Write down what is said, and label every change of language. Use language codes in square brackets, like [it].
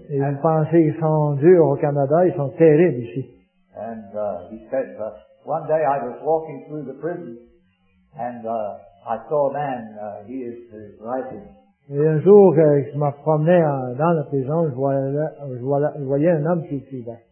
[fr] Et vous pensez qu'ils sont durs au Canada, ils sont terribles ici. [en] And he said, one day I was walking through the prison and I saw a man, he is writing. [fr] Et un jour, je me promenais dans la prison, je voyais un homme qui écrivait.